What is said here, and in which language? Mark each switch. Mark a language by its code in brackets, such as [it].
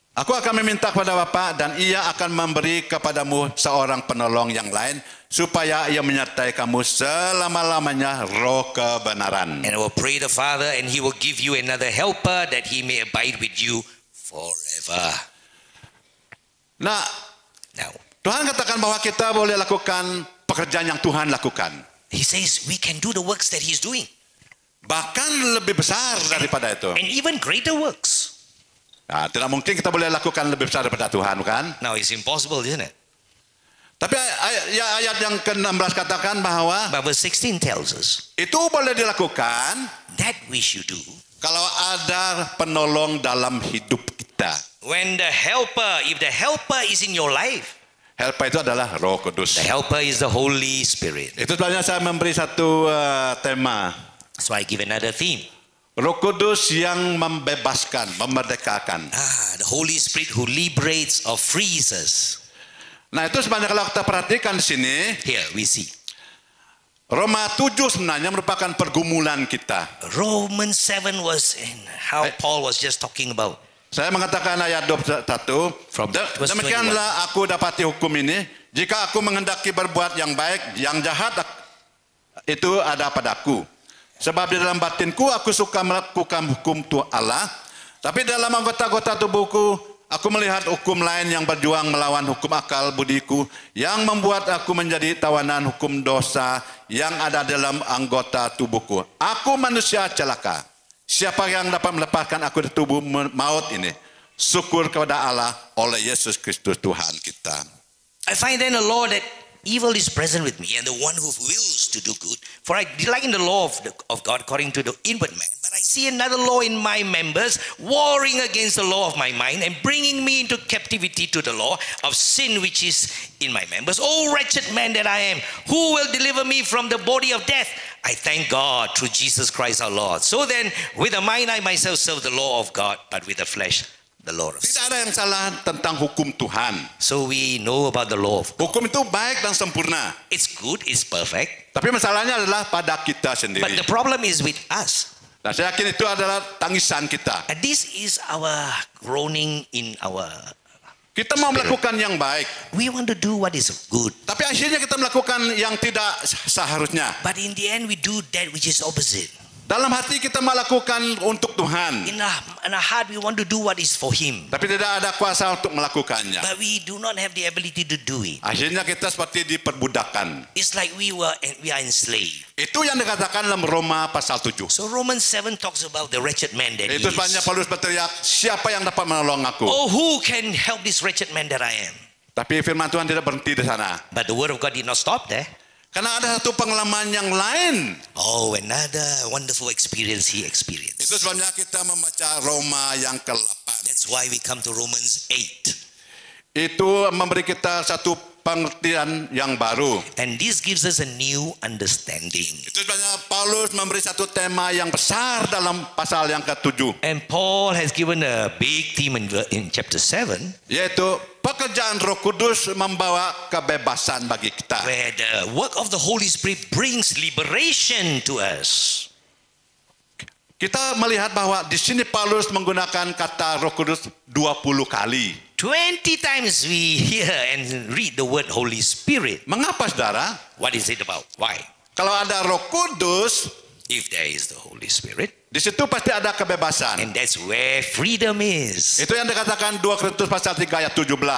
[id] Aku akan meminta kepada Bapa dan ia akan memberi kepadamu seorang penolong yang lain. Supaya ia menyertai kamu selama-lamanya roh kebenaran. [en] And I will pray the Father and he will give you another helper that he may abide with you forever. [id] Nah, [en] now, [id] Tuhan katakan bahwa kita boleh lakukan pekerjaan yang Tuhan lakukan. [en] He says we can do the works that he's doing. [id] Bahkan lebih besar daripada itu. [en] And even greater works. [id] Nah, tidak mungkin kita boleh lakukan lebih besar daripada Tuhan, kan? [en] Now it's impossible, isn't it? [id] Tapi ayat yang ke-16 katakan bahwa [en] verse 16 tells us, [id] itu boleh dilakukan [en] that which you do, [id] kalau ada penolong dalam hidup kita. [en] When the helper, if the helper is in your life, [id] helper itu adalah Roh Kudus. [en] The helper is the Holy Spirit. [id] Itu sebabnya saya memberi satu tema. [en] So I give another theme. [id] Roh Kudus yang membebaskan, memerdekakan. [en] The Holy Spirit who liberates or frees us. [id] Nah itu sebenarnya kalau kita perhatikan di sini. [en] Here we see. [id] Roma 7 sebenarnya merupakan pergumulan kita. [en] Romans 7 was in how Paul was just talking about. [id] Saya mengatakan ayat 21. Demikianlah aku dapati hukum ini. Jika aku menghendaki berbuat yang baik, yang jahat itu ada padaku. Sebab di dalam batinku aku suka melakukan hukum Tuhan Allah. Tapi dalam anggota-anggota tubuhku, aku melihat hukum lain yang berjuang melawan hukum akal budiku yang membuat aku menjadi tawanan hukum dosa yang ada dalam anggota tubuhku. Aku manusia celaka. Siapa yang dapat melepaskan aku dari tubuh maut ini? Syukur kepada Allah oleh Yesus Kristus Tuhan kita. [en] I find then a law that evil is present with me and the one who wills to do good. For I delight in the law of God according to the inward man. But And I see another law in my members, warring against the law of my mind and bringing me into captivity to the law of sin which is in my members. Oh, wretched man that I am, who will deliver me from the body of death? I thank God through Jesus Christ our Lord. So then, with the mind I myself serve the law of God, but with the flesh the law of sin. [id] Tidak ada yang salah tentang hukum Tuhan. [en] So we know about the law of God. [id] Hukum itu baik dan sempurna. [en] It's good, it's perfect. [id] Tapi masalahnya adalah pada kita sendiri. [en] But the problem is with us. [id] Nah, saya yakin itu adalah tangisan kita. [en] And this is our groaning in our [id] kita mau [en] spirit. [id] Melakukan yang baik. [en] We want to do what is good. [id] Tapi akhirnya kita melakukan yang tidak seharusnya. [en] But in the end we do that which is opposite. [id] Dalam hati kita melakukan untuk Tuhan. [en] In our heart we want to do what is for him. [id] Tapi tidak ada kuasa untuk melakukannya. [en] But we do not have the ability to do it. [id] Akhirnya kita seperti diperbudakan. [en] It's like we are enslaved. [id] Itu yang dikatakan dalam Roma pasal 7. [en] So Romans 7 talks about the wretched man that [id] itu sebabnya Paulus berteriak, siapa yang dapat menolong aku? [en] Oh, who can help this wretched man that I am? [id] Tapi firman Tuhan tidak berhenti di sana. [en] But the word of God did not stop there. [id] Karena ada satu pengalaman yang lain. [en] Oh, another wonderful experience he experienced. [id] Itu sebabnya kita membaca Roma yang ke-8. [en] That's why we come to Romans 8. [id] Itu memberi kita satu pengertian yang baru. [en] And this gives us a new understanding. [id] Itu sebabnya Paulus memberi satu tema yang besar dalam pasal yang ke-7. [en] And Paul has given a big theme in chapter 7. [id] Yaitu pekerjaan Roh Kudus membawa kebebasan bagi kita. [en] Where the work of the Holy Spirit brings liberation to us. [id] Kita melihat bahwa di sini Paulus menggunakan kata Roh Kudus 20 kali. [en] 20 times we hear and read the word Holy Spirit. [id] Mengapa saudara? [en] What is it about? Why? [id] Kalau ada Roh Kudus, [en] if there is the Holy Spirit, [id] di situ pasti ada kebebasan. [en] And that's where freedom is. [id] Itu yang dikatakan 2 Korintus pasal 3 ayat 17.